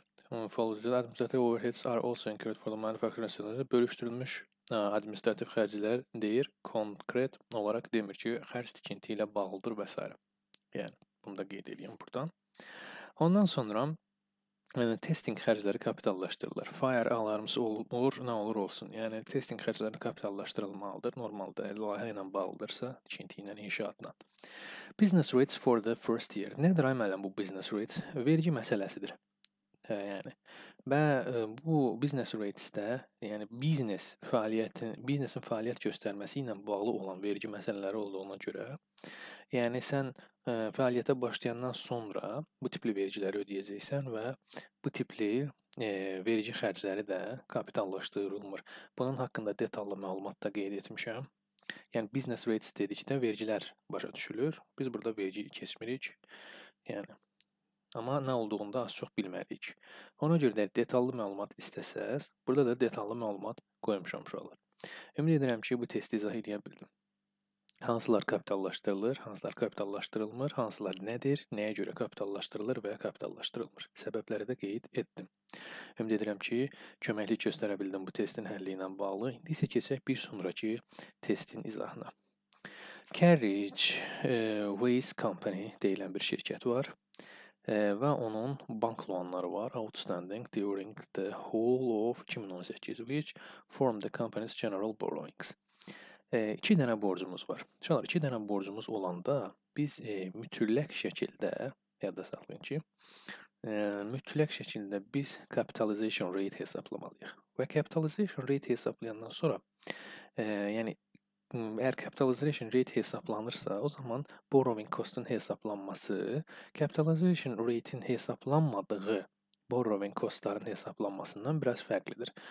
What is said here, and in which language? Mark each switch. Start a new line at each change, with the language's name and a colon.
English: Administrative overheads are also incurred for the manufacturing.
Azerbaijani: Bölüşdürülmüş administrativ xərclər deyir, konkret olaraq demir ki, xərc tikinti ilə bağlıdır və s. Yəni, bunu da qeyd edəyim buradan. Ondan sonra testing xərcləri kapitallaşdırılır. Fire alarms olur, nə olur olsun. Yəni, testing xərcləri kapitallaşdırılmalıdır. Normalda, layihə ilə bağlıdırsa, tikinti ilə inşaatla.
English: Business rates for the first year.
Azerbaijani: Nədir, əmələn bu business rates? Vergi məsələsidir. Yəni, bu business rates-də, yəni biznesin fəaliyyət göstərməsi ilə bağlı olan vergi məsələləri olduğuna görə, yəni sən fəaliyyətə başlayandan sonra bu tipli vergiləri ödəyəcəksən və bu tipli vergi xərcləri də kapitallaşdırılmır. Bunun haqqında detallı məlumat da qeyd etmişəm.
Turkish: Yani business rates dediği de vericiler
Azerbaijani: başa düşülür.
Turkish: Biz burada verici kesmeliyiz. Yani ama ne olduğunu da az çok bilmeliyiz.
Azerbaijani: Ona göre de detallı məlumat istəsəz, burada da detallı məlumat
Turkish: koymuş olmuş olur.
Azerbaijani: Ümid edirəm ki, bu testi izah edə bildim. Hansılar kapitallaşdırılır, hansılar kapitallaşdırılmır, hansılar nədir, nəyə görə kapitallaşdırılır və ya kapitallaşdırılmır. Səbəbləri də qeyd etdim. Ümid edirəm ki, köməklik göstərə bildim bu testin həlli ilə bağlı. İndi isə keçək bir sonraki testin izahına. Carriage Waste Company deyilən bir şirkət var. Və onun bank loanları var.
English: Outstanding during the whole of 2018, which formed the company's general borrowings.
Azerbaijani: İki dənə borcumuz var. Şəhər, iki dənə borcumuz olanda biz mütləq şəkildə, yadda saxlayın ki, mütləq şəkildə biz capitalization rate hesablamalıyıq. Və capitalization rate hesablayandan sonra, yəni,
Turkish: eğer capitalization rate hesaplanırsa, o zaman borrowing cost'un hesaplanması, capitalization rate'in hesaplanmadığı borrowing cost'ların hesaplanmasından biraz farklıdır.